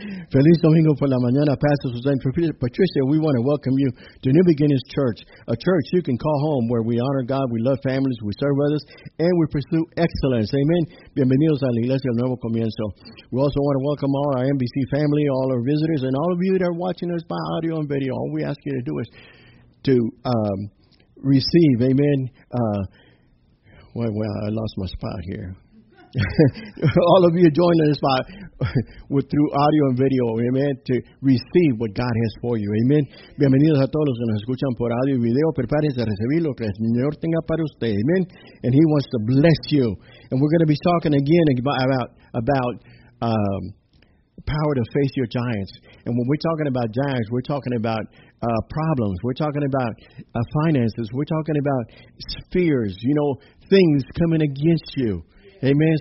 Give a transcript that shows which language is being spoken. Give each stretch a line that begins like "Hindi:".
Spanish: Feliz Domingo por la mañana, Pastor Suzanne.
English: Patricia, we want to welcome you to New Beginnings Church, a church you can call home where we honor God, we love families, we serve others, and we pursue excellence. Amen.
Spanish: Bienvenidos a la Iglesia del Nuevo Comienzo.
English: We also want to welcome all our NBC family, all our visitors, and all of you that are watching us by audio and video. All we ask you to do is to receive. Amen. I lost my spot here. All of you joining us by through audio and video, amen, to receive what God has for you, amen.
Spanish: Bienvenidos a todos los que nos escuchan por audio y video. Prepárense a recibir lo que el Señor tenga para usted, amen.
English: And He wants to bless you. And we're going to be talking again about power to face your giants. And when we're talking about giants, we're talking about problems. We're talking about finances. We're talking about fears, you know, things coming against you. Amen.